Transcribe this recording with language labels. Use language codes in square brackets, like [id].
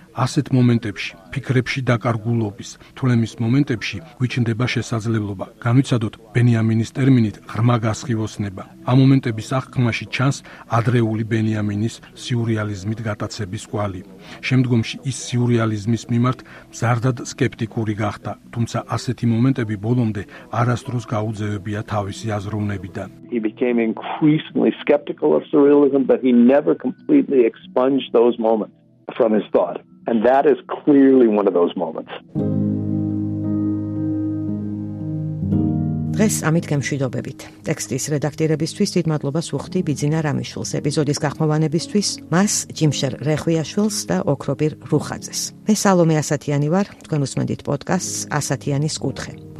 [ka] ასეთ მომენტებში, ფიქრებში დაკარგულობის, თვლემის მომენტებში გვიჩნდება შესაძლებლობა, განვიცადოთ ბენიამინის ტერმინით ღრმა გასხივოსნება. ამ მომენტების აღქმაში ჩანს ადრეული ბენიამინის სიურეალიზმით გატაცების კვალი. შემდგომში ის სიურეალიზმის მიმართ მზარდად სკეპტიკური გახდა, თუმცა ასეთი მომენტები ბოლომდე არასდროს გაუძევებია თავისი აზროვნებიდან. [en] He became increasingly skeptical of surrealism, but he never completely expunged those moments from his thought. And that is clearly one of those moments. [ka] დღეს ამით გემშვიდობებით. ტექსტის რედაქტირებისთვის დიდ მადლობას უხდი ბიძინა რამიშვილს, ეპიზოდის გახმოვანებისთვის მას, ჯიმშერ რეხვიაშვილს და ოქრობირ რუხაძეს. მე სალომე ასათიანი ვარ, თქვენ უსმენთ პოდკასტს ასათიანის კუთხე.